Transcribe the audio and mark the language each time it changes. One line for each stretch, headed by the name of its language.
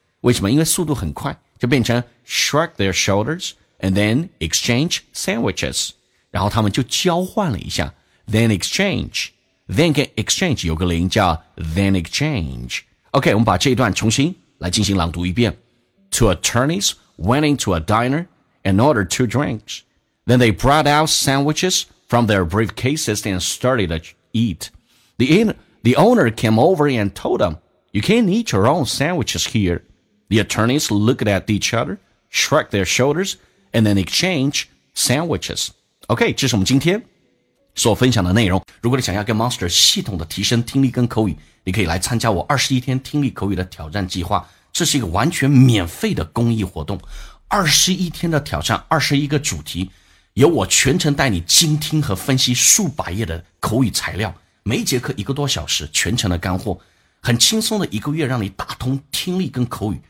Chinese: 为什么？因为速度很快。就变成
English: shrug their shoulders and then exchange sandwiches.
Chinese: 然后他们就交换了一下。
English: Then exchange.
Chinese: Then 跟 exchange 有个连叫 then exchange. OK, 我们把这一段重新来进行朗读一遍。
English: Two attorneys went into a diner and ordered two drinks. Then they brought out sandwiches from their briefcases and started to eat. The owner came over and told them, you can't eat your own sandwiches here. The attorneys looked at each other, shrugged their shoulders, and then exchanged sandwiches.
Chinese: OK, 这是我们今天所分享的内容。如果你想要跟 Monster 系统的提升听力跟口语，你可以来参加我21天听力口语的挑战计划。这是一个完全免费的公益活动。21天的挑战，21个主题，由我全程带你精听和分析数百页的口语材料，每一节课一个多小时，全程的干货，很轻松的一个月让你打通听力跟口语。